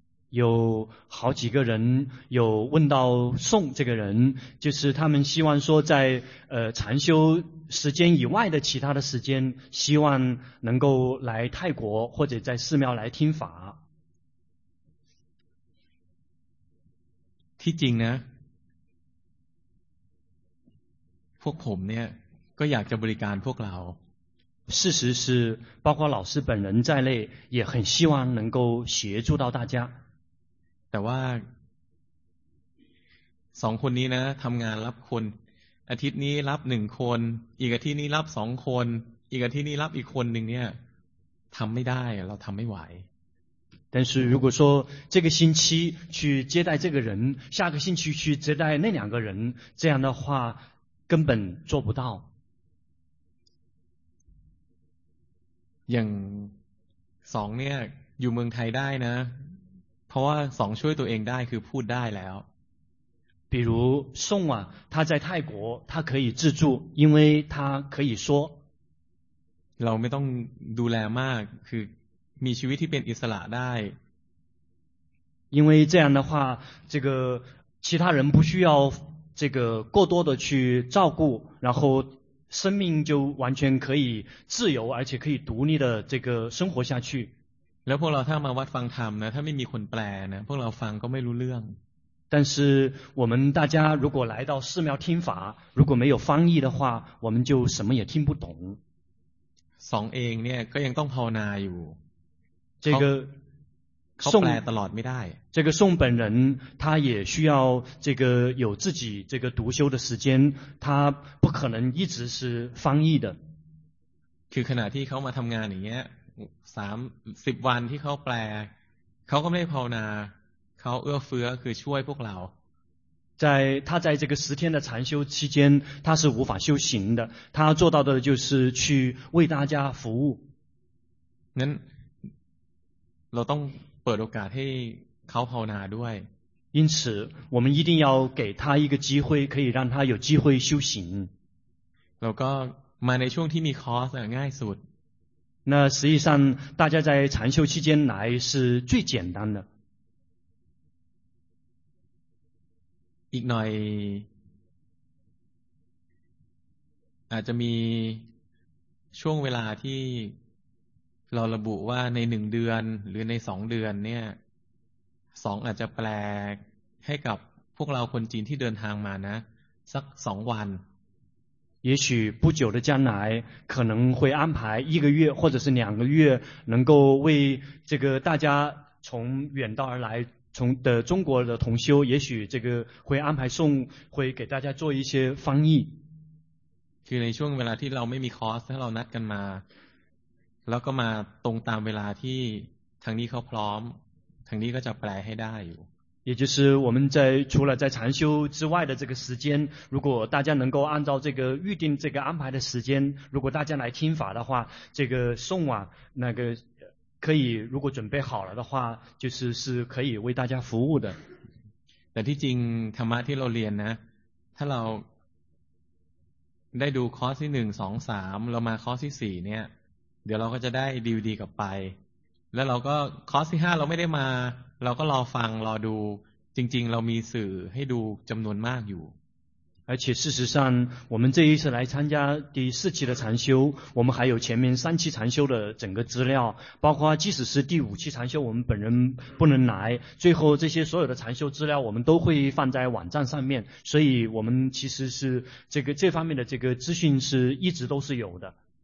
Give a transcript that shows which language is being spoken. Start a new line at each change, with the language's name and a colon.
Chinese: 有好几个人有问到宋这个人就是他们希望说在禅修时间以外的其他的时间希望能够来泰国或者在寺庙来听法
Thai: ที่จริงนะพวกผมเนี่ยก็อยากจะบริการพวกเรา
Chinese: 事实是包括老师本人在内也很希望能够协助到大家
Thai: แต่ว่าสองคนนี้นะทำงานรับคนอาทิตย์นี้รับหนึ่งคนอีกอาทิตย์นี้รับสองคนอีกอาทิตย์นี้รับอีกคนหนึ่งเนี่ยทำไม่ได้เราทำไม่ไหว
Chinese: 但是如果说这个星期去接待这个人下个星期去接待那两个人这样的话根本做不到
Thai: อย่างสองเนี่ยอยู่เมืองไทยได้นะเพราะว่าสองช่วยตัวเองได้คือพูดได้แล้ว
Chinese: 比如宋啊他在泰国他可以自助因为他可以说
Thai: เราไม่ต้องดูแลมากคือมีชีวิตที่เป็นอิสระได้
Chinese: 因为这样的话这个其他人不需要这个过多的去照顾然后生命就完全可以自由而且可以独立的这个生活下去
Thai: แล้วพวกเราถ้ามาวัดฟังธรรมนะถ้าไม่มีคนแปลนะพวกเราฟังก็ไม่รู้เรื่อง
Chinese: 但是我们大家如果来到寺庙听法如果没有翻译的话我们就什么也听不懂
Thai: สองเองเนี่ยก็ยังต้องภาวนาอยู่
Chinese: 这个
Thai: 宋แปลตลอดไม่ได้
Chinese: 这个宋本人他也需要这个有自己这个独修的时间他不可能一直是翻译的
Thai: คือขณะที่เขามาทำงานอย่างเงี้ยสามสิบวันที่เขาแปลเขาก็ไม่ได้ภาวนาเขาเอื้อเฟื้อคือช่วยพวกเรา
Chinese: 在他在这个十天的禅修期间他是无法修行的他做到的就是去为大家服务
Thai: งั้นเราต้องเปิดโอกาสให้เขาภาวนาด้วย
Chinese: 因此我们一定要给他一个机会，可以让他有机会修行。
Thai: แล้วก็มาในช่วงที่มีคอร์สง่ายสุด。
Chinese: 那实际上大家在禅修期间来是最简单的。
Thai: อีกหน่อยอาจจะมีช่วงเวลาที่เราระบุว่าในหนึ่งเดือนหรือในสองเดือนเนี่ยสองอาจจะแปลกให้กับพวกเราคนจีนที่เดินทางมานะสักสองวัน
Chinese: 也许不久的将来可能会安排一个月或者是两个月能够为这个大家从远道而来从的中国的同修也许这个会安排送会给大家做一些翻译
Thai: คือในช่วงเวลาที่เราไม่มีคอร์สเรานัดกันมาแล้วก็มาตรงตามเวลาที่ทางนี้เขาพร้อมทางนี้ก็จะแปลให้ได้อยู่
Chinese: 也就是我们在除了在禅修之外的这个时间如果大家能够按照这个预定这个安排的时间如果大家来听法的话这个送啊那个可以如果准备好了的话就是是可以为大家服务的
Thai: แต่ที่จริงธรรมะที่เราเรียนนะถ้าเราได้ดูคอร์สที่หนึ่งสองสามเรามาคอร์สที่สี่เนี่ยเดี๋ยวเราก็จะได้ดีๆกลับไปแล้วเราก็คอร์สที่ห้าเราไม่ได้มาเราก็รอฟังรอดูจริงๆเรามีสื่อให้ดูจำนวนมากอยู่
Chinese: 而且事实上我们这一次来参加第四期的禅修我们还有前面三期禅修的整个资料包括即使是第五期禅修我们本人不能来最后这些所有的禅修资料我们都会放在网站上面所以我们其实是这个这方面的这个资讯是一直都是有的